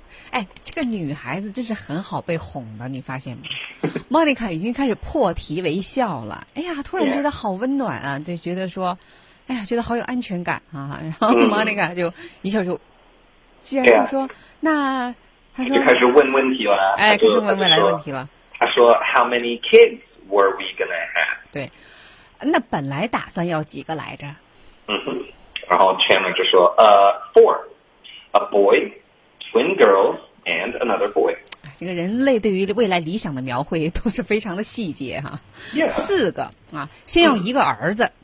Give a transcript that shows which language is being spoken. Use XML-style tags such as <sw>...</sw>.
<zh>哎，这个女孩子真是很好被哄的，你发现吗？莫妮卡已经开始破涕为笑了。哎呀，突然觉得好温暖啊，</zh> <en>yeah.</en> <zh>就觉得说，哎呀，觉得好有安全感啊。然后莫妮卡就一下就，既然就说，</zh> <en>yeah.</en> <zh>那他说就开始问问题了。哎，开始问未来问题了。他说</zh> <en>，How many kids were we gonna have？</en> <zh>对。那本来打算要几个来着？</zh> <en>嗯哼，然后 Chandler</en> <zh>就说</zh> <en>four， a boy， twin girls， and another boy。</en> <zh>这个人类对于未来理想的描绘都是非常的细节哈、啊。</zh> <en>Yeah.</en> <zh>四个啊，先要一个儿子、</zh>